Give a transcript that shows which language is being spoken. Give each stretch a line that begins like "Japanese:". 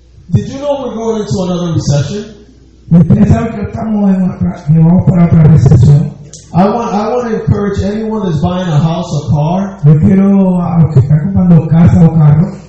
English: Did you know we're going into another recession?
Spanish: ¿Ustedes saben que estamos en otra, que vamos para otra recesión?
English: I want to encourage anyone that's buying a house, a car.
Spanish: Yo quiero a los que están comprando casa o carro.